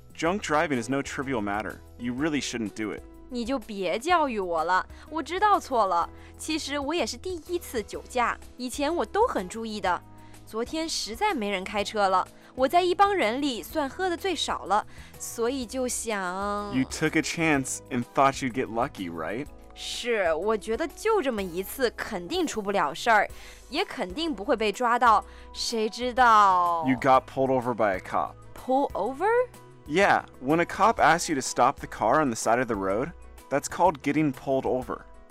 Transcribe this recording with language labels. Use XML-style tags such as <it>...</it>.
<en>Drunk driving is no trivial matter, you really shouldn't do it.</en> <zh>你就别教育我了，我知道错了。其实我也是第一次酒驾，以前我都很注意的。昨天实在没人开车了，我在一帮人里算喝的最少了，所以就想</zh> <en>You took a chance and thought you'd get lucky, right?</en> <zh>是，我觉得就这么一次肯定出不了事儿，也肯定不会被抓到，谁知道</zh> <en>You got pulled over by a cop. Pull over? Yeah, when a cop asks you to stop the car on the side of the road, that's called getting pulled over.</en>